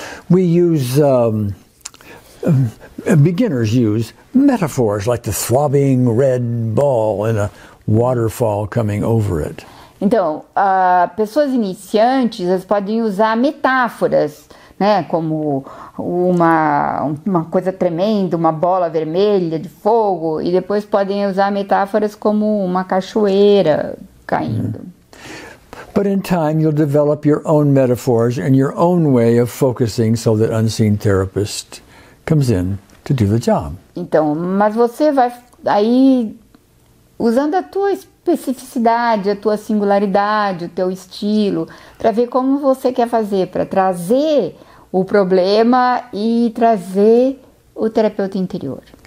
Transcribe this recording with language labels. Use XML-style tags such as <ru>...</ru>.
<en>We use beginners use metaphors like the throbbing red ball and a waterfall coming over it.</en> <pt>Então, pessoas iniciantes elas podem usar metáforas, né, como uma coisa tremenda, uma bola vermelha de fogo, e depois podem usar metáforas como uma cachoeira caindo.</pt> <en>But in time, you'll develop your own metaphors and your own way of focusing so that unseen therapist comes in to do the job.</en> <pt>Então, mas você vai aí usando a tua especificidade, a tua singularidade, o teu estilo, para ver como você quer fazer para trazer o problema e trazer o terapeuta interior.</pt>